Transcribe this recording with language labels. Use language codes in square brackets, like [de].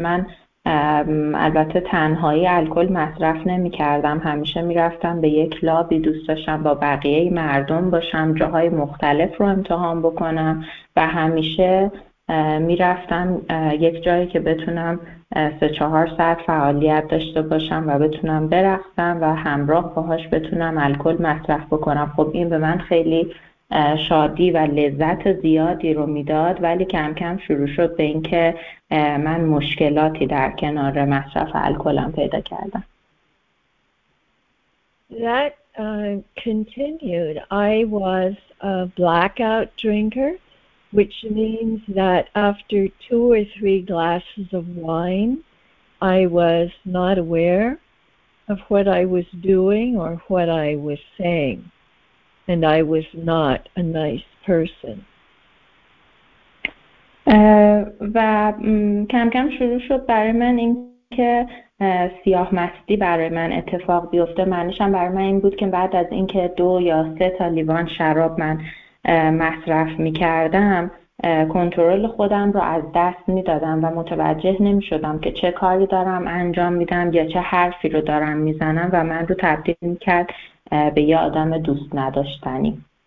[fa] من البته تنهایی الکل مصرف نمی کردم، همیشه می رفتم به یک کلابی، دوست داشتم با بقیه مردم باشم، جاهای مختلف رو امتحان بکنم و همیشه می رفتم یک جایی که بتونم 3-4 ساعت فعالیت داشته باشم و بتونم برقصم و همراه باهاش بتونم الکل مصرف بکنم. خب این به من خیلی شادی و لذت زیادی رو میداد، ولی کم کم شروع شد به اینکه من مشکلاتی در کنار مصرف الکلم پیدا کردم. [en] That continued. I was a blackout drinker, which means that after 2 or 3 glasses of wine, I was not aware of what I was doing or what I was saying, and I was not a nice person. [fa] و کم کم شروع شد برای من اینکه سیاه مستی برای من اتفاق بیفته. معنیشم برای من این بود که بعد از اینکه 2 یا 3 تا لیوان شراب من مصرف می کردم، کنترل خودم رو از دست می دادم و متوجه نمی شدم که چه کاری دارم انجام می دم یا چه حرفی رو دارم می زنم و من رو تبدیل می کرد به یه آدم دوست نداشتنی.